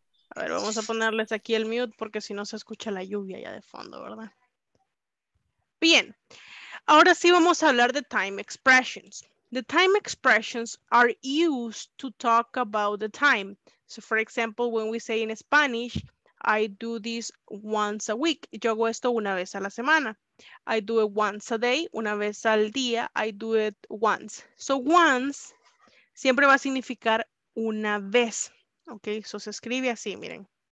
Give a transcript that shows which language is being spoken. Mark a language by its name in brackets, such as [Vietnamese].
[Spanish] A ver, vamos a ponerles aquí el mute porque si no se escucha la lluvia ya de fondo, ¿verdad? Bien, ahora sí vamos a hablar de time expressions. [English] The time expressions are used to talk about the time. So, for example, when we say in Spanish, I do this once a week. [Spanish] Yo hago esto una vez a la semana. [English] I do it once a day, [Spanish] una vez al día. [English] I do it once. [Spanish] So, once siempre va a significar una vez. Ok, eso se escribe así, miren.